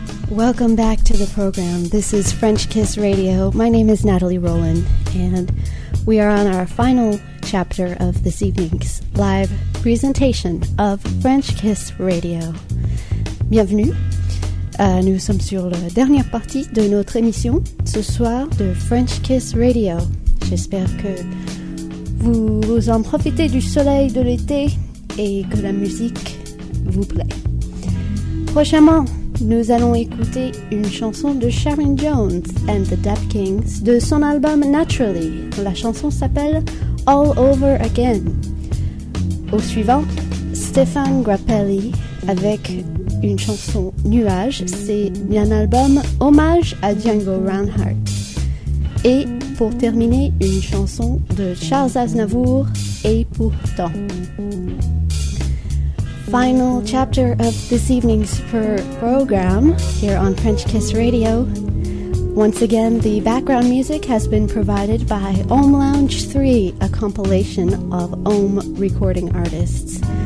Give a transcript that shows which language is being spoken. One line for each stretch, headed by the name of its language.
English: Welcome back to the program. This is French Kiss Radio. My name is Nathalie Roland, and we are on our final chapter of this evening's live presentation of French Kiss Radio.
French: Bienvenue. Nous sommes sur la dernière partie de notre émission ce soir de French Kiss Radio. J'espère que vous en profitez du soleil de l'été et que la musique vous plaît. Prochainement, nous allons écouter une chanson de Sharon Jones and the Dap Kings de son album Naturally. La chanson s'appelle All Over Again. Au suivant, Stéphane Grappelli avec une chanson Nuage. C'est un album hommage à Django Reinhardt. Et pour terminer, une chanson de Charles Aznavour, Et pourtant.
English: Final chapter of this evening's program here on French Kiss Radio. Once again, the background music has been provided by Home Lounge 3, a compilation of Home recording artists.